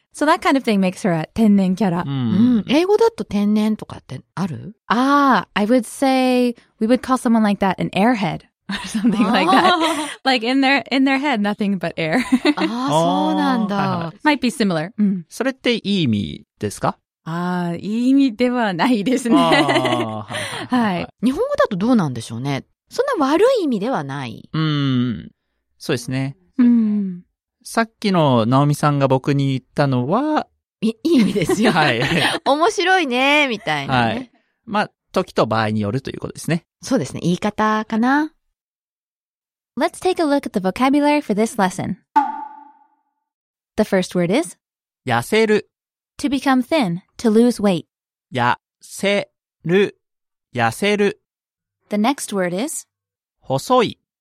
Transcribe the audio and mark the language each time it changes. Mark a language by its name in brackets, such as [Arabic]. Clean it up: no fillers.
[English] So that kind of thing makes her a 天然キャラ。 [Japanese] 英語だと天然とかってある？ [English] Ah, I would say we would call someone like that an airhead or something like that. Like in their head, nothing but air. [Japanese] ああ、そうなんだ。 [English] Might be similar. [Japanese] それっていい意味ですか？ああ、いい意味ではないですね。はい。日本語だとどうなんでしょうね。そんな悪い意味ではない。そうですね。うん。さっきのナオミさんが僕に言ったのは、いい意味ですよ。はい。面白いね、みたいな、ね。はい。まあ、時と場合によるということですね。そうですね。言い方かな。 [English] Let's take a look at the vocabulary for this lesson. The first word is? [Japanese] 痩せる。 [English] To become thin, to lose weight. [Japanese] やせる、やせる。 [English] The next word is? [Japanese] 細い。